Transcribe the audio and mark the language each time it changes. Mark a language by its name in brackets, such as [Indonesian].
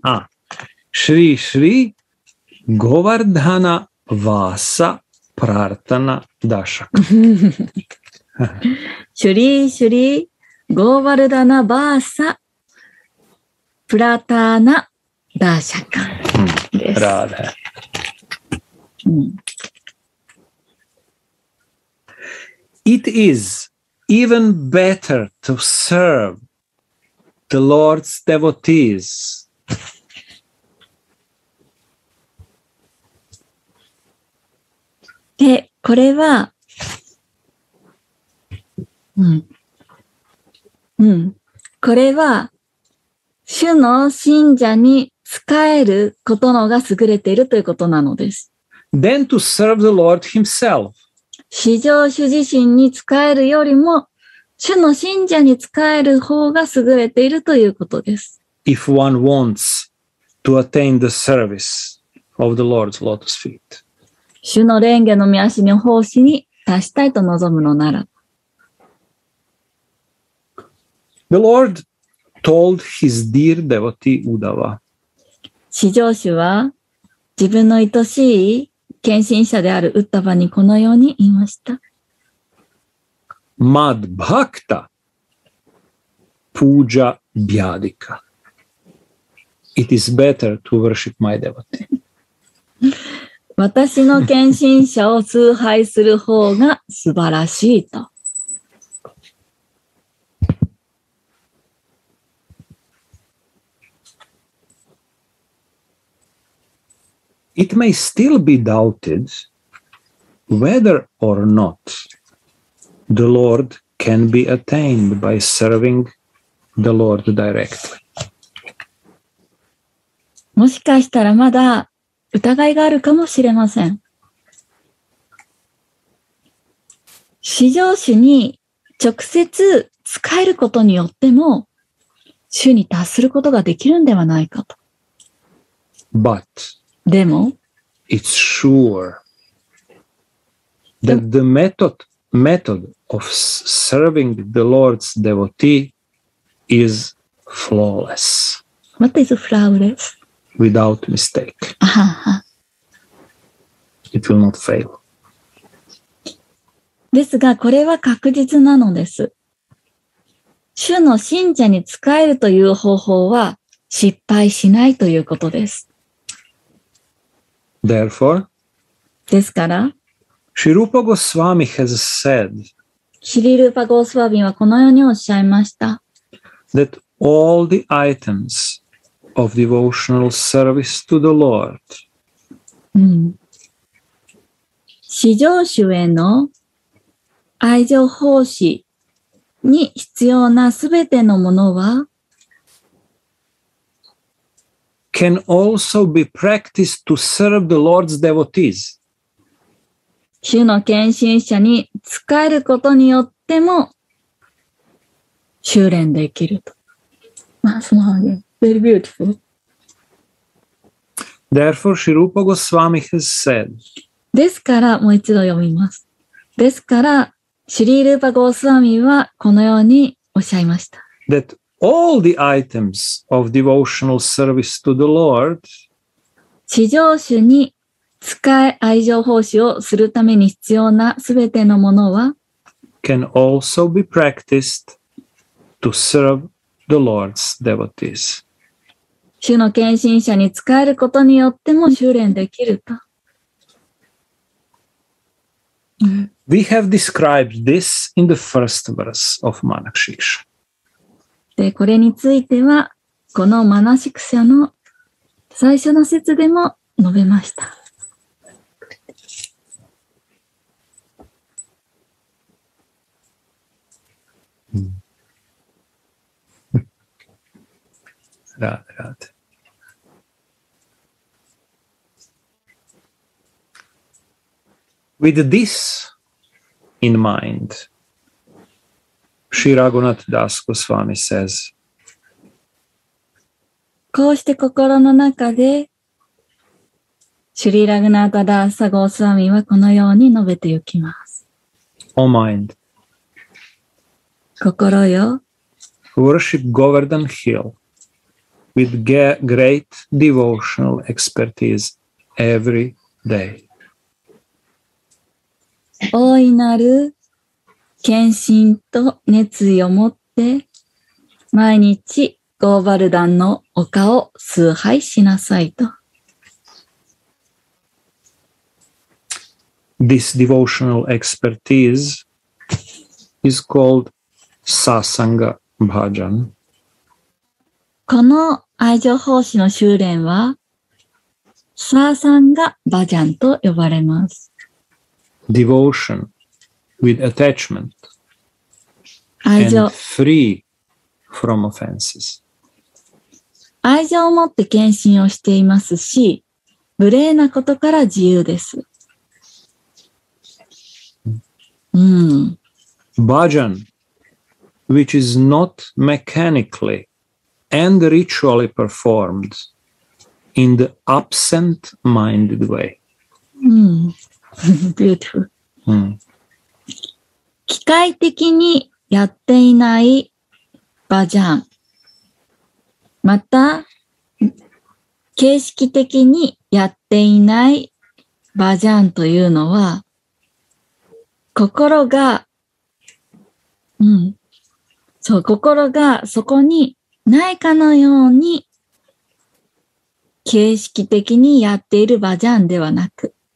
[Japanese] あ、シュリーシュリーゴーバルダナワーサプラルタナダシャカンシュリーシュリーゴーバルダナバーサプラタナダシャカンです。 [English] ラーデ、It is even better to serve the Lord's devotees [Japanese] で、これは、うん、うん、これは主の信者に仕えることのが優れているということなのです。 [English] Than to serve the Lord himself. [Japanese] 至上主自身に仕えるよりも主の信者に仕える方が優れているということです。 [English] If one wants to attain the service of the Lord's lotus feet. [Japanese] 主の蓮華の御足の奉仕に達したいと望むのなら。 [English] The Lord told his dear devotee Uddhava. [Japanese] 至上主は自分の愛しい献身者であるウッダバにこのように言いました。マッバクタ、プージャビアディカ。 [English] It is better to worship my devotee. [Japanese] 私の献身者を崇拝する方が素晴らしいと。 [English] It may still be doubted whether or not the Lord can be attained by serving the Lord directly. [Japanese] もしかしたらまだ疑いがあるかもしれません。至上主に直接仕えることによっても主に達することができるんではないかと。 [English] But [Japanese] でも [English] It's sure that the method of serving the Lord's devotee is flawless. What is flawless? Without mistake. Uh-huh. It will not fail. [Japanese] ですが、これは確実なのです。主の信者に仕えるという方法は失敗しないということです。 [English] Therefore, [Japanese] ですから、 [English] シルパゴスワミ has said, [Japanese] シリルパゴスワミはこのようにおっしゃいました。 [English] That all the items of devotional service to the Lord, [Japanese] 至上主への愛情奉仕に必要なすべてのものは、 [English] Can also be practiced to serve the Lord's devotees. [Japanese] 主の献身者に仕えることによっても修練できると。まあ、その方が、 [English] very beautiful. Therefore, Shri Rupa Goswami has said. [Japanese] ですから、もう一度読みます。ですから、シリールーパゴスワミはこのようにおっしゃいました。 [English] That All the items of devotional service to the Lord. [Japanese] 至上主に仕え愛情奉仕をするために必要なすべてのものは [English] can also be practiced to serve the Lord's devotees. [Japanese] 主の献身者に仕えることによっても修練できると。 [English] We have described this in the first verse of Manakshiksha. [Japanese] でこれについてはこのマナシクシャの最初の節でも述べました。ラーデラーデ。 [English] With this in mind. Shri Raghunath Das Goswami says, [Japanese] こうして心の中で、シュリ・ラグナータ・ダーサ・ゴースワミはこのように述べてゆきます。 [English] O mind. [Japanese] 心よ。 [English] Worship Govardhan Hill with great devotional expertise every day. [Japanese] 大いなる献身と熱意を持って毎日ゴーバルダンの丘を崇拝しなさいと。 [English] This devotional expertise is called Sasanga Bhajan. [Japanese] この愛情奉仕の修練は Sasanga Bhajan と呼ばれます。 [English] Devotion with attachment. [Japanese] 愛情。 [English] And free from offenses. [Japanese] 愛情を持って献身をしていますし、無礼なことから自由です。 [English] Bhajan, which is not mechanically and ritually performed in the absent-minded way. Beautiful. [Japanese] 機械的にやっていないバジャン。また、形式的にやっていないバジャンというのは、心が、そう、心がそこにないかのように、形式的にやっているバジャンではなく。